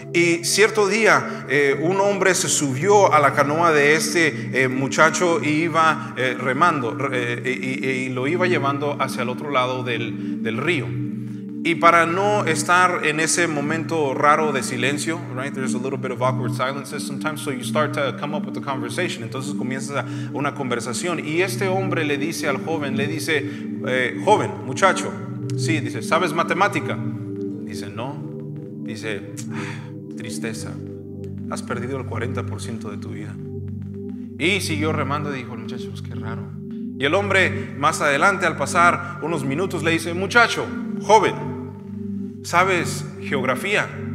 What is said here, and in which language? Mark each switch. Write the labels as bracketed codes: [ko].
[es] Y cierto día un hombre se subió a la canoa de este muchacho y iba remando y lo iba llevando hacia el otro lado del río. Y para no estar en ese momento raro de silencio, [en] right? There's a little bit of awkward silence sometimes, so you start to come up with a conversation. [es] Entonces comienza una conversación, y este hombre le dice al joven, le dice, joven, muchacho, sí, dice, ¿sabes matemática? Dice, no. Dice, tristeza, has perdido el 40% de tu vida. Y siguió remando, dijo el muchacho, pues qué raro. Y el hombre, más adelante, al pasar unos minutos, le dice, muchacho, joven, ¿sabes geografía?